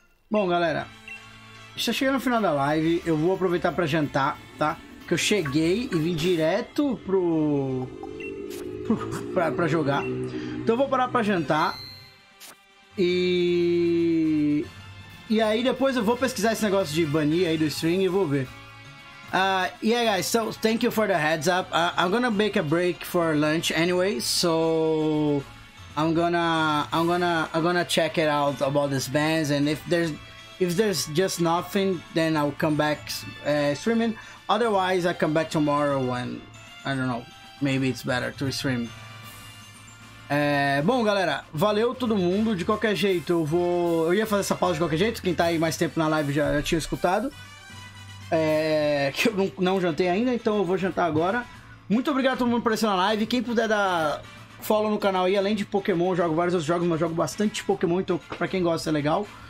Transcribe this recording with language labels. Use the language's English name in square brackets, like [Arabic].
[Portuguese] Bom, galera. Está chegando no final da live, eu vou aproveitar para jantar, tá? que eu cheguei e vim direto pro... pra jogar. Então eu vou parar pra jantar. E aí depois eu vou pesquisar esse negócio de banir aí do stream e vou ver. [English] Yeah, guys, so thank you for the heads up. I'm gonna make a break for lunch anyway, so... I'm gonna check it out about these bands, and if there's just nothing, then I'll come back streaming. Otherwise, I come back tomorrow when, I don't know, maybe it's better to stream. [Portuguese] Bom, galera, valeu todo mundo. De qualquer jeito, eu ia fazer essa pausa de qualquer jeito. Quem tá aí mais tempo na live já tinha escutado. Que eu não jantei ainda, então eu vou jantar agora. Muito obrigado a todo mundo por estar na live. Quem puder dar follow no canal aí, além de Pokémon, eu jogo vários outros jogos, mas jogo bastante Pokémon, então pra quem gosta é legal.